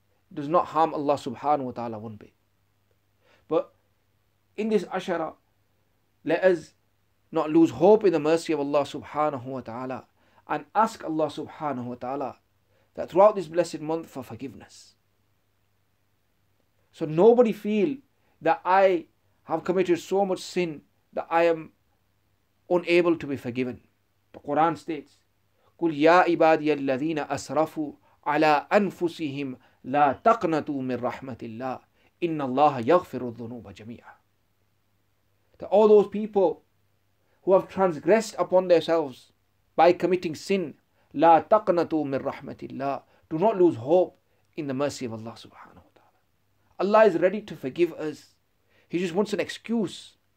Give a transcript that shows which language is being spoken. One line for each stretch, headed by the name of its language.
English: It does not harm Allah subhanahu wa ta'ala one bit. But in this ashara, let us not lose hope in the mercy of Allah subhanahu wa ta'ala and ask Allah subhanahu wa ta'ala that throughout this blessed month for forgiveness. So nobody feel that I have committed so much sin that I am unable to be forgiven.
Arabic: The Quran states, قُلْ يَا عِبَادِيَ الَّذِينَ أَسْرَفُوا عَلَىٰ أَنفُسِهِمْ لَا تَقْنَتُوا مِنْ رَحْمَةِ اللَّهِ إِنَّ اللَّهَ يَغْفِرُ الذُّنُوبَ جَمِيعًا.
English: That all those people who have transgressed upon themselves by committing sin,
Arabic: لا تقنطوا من رحمة الله,
English: do not lose hope in the mercy of Allah subhanahu wa ta'ala. Allah is ready to forgive us. He just wants an excuse.